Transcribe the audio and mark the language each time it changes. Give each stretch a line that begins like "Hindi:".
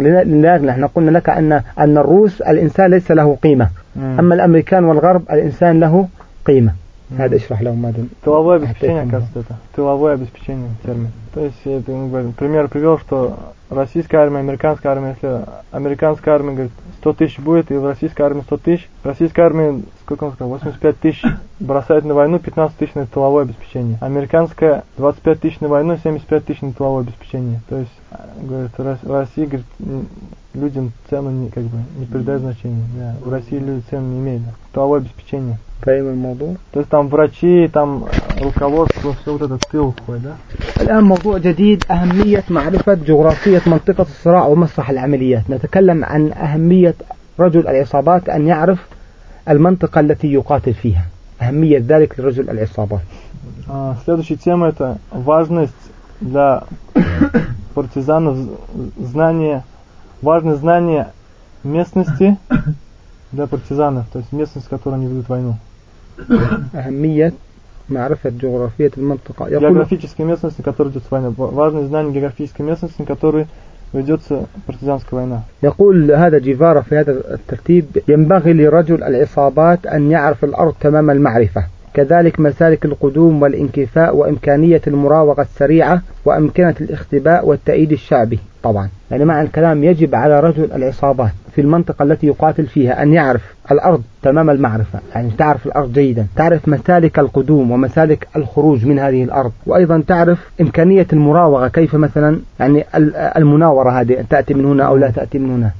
Arabic: نحن قلنا لك أن الروس الإنسان ليس له قيمة. أما الأمريكان والغرب الإنسان له قيمة. هذا اشرح لهم ماذا
Russian: тыловое обеспечение, кажется, это тыловое обеспечение термин. То есть это мы говорим, пример привел, что российская армия, американская армия, если американская армия говорит 100,000 будет, и в российской армии 100,000, российская армия, сколько он сказал, 85,000 бросает на войну, 15,000 на тыловое обеспечение. Американская 25,000 на войну, 75,000 на тыловое обеспечение. То есть говорит, Россия говорит, людям цену не как бы не придает значения. Да. В России люди цену не имеют. Да. Тыловое обеспечение. То есть там врачи, там руководство, все вот это тыл входит, да?
Arabic: الآن موضوع جديد أهمية معرفة جغرافية منطقة الصراع ومسرح العمليات. نتكلم عن أهمية رجل العصابات أن يعرف المنطقة التي يقاتل فيها. أهمية ذلك لرجل العصابات.
Russian: Следующая тема это важность для партизанов знания, важность знания местности для партизанов, то есть местность, в которой они ведут войну.
Arabic: أهمية معرفة جغرافية المنطقة.
Russian: Географическая местность, в которой идет война. Важное знание географической местности, в которой ведется партизанская война.
Arabic: يقول هذا جيفارا في هذا الترتيب ينبغي لرجل العصابات أن يعرف الأرض تمام المعرفة. كذلك مسالك القدوم والانكفاء وإمكانية المراوغة السريعة وإمكانة الاختباء والتأييد الشعبي. طبعا يعني مع الكلام يجب على رجل العصابات في المنطقة التي يقاتل فيها أن يعرف الأرض تمام المعرفة, يعني تعرف الأرض جيدا, تعرف مسالك القدوم ومسالك الخروج من هذه الأرض, وأيضا تعرف إمكانية المراوغة, كيف مثلا يعني المناورة هذه تأتي من هنا أو لا تأتي من هنا.